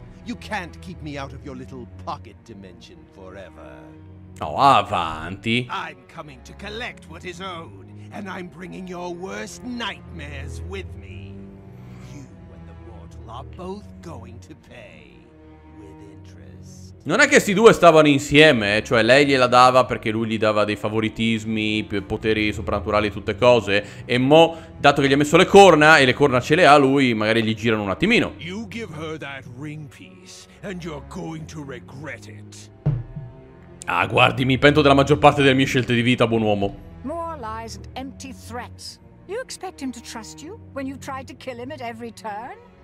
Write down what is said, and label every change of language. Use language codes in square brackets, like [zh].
[en] You can't keep me out of your little pocket dimension forever. Oh, avanti. I'm coming to collect what is owed. And I'm bringing your worst nightmares with me. You and the mortal are both going to pay with interest. [it] Non è che questi due stavano insieme, cioè lei gliela dava perché lui gli dava dei favoritismi, poteri soprannaturali e tutte cose. E mo, dato che gli ha messo le corna, e le corna ce le ha, lui magari gli girano un attimino. [en] You give her that ring piece and you're going to regret it. [it] Ah, guardi, mi pento della maggior parte delle mie scelte di vita, buon uomo. [en] Lies and empty threats. You expect him to trust you when you tried to kill him at every turn?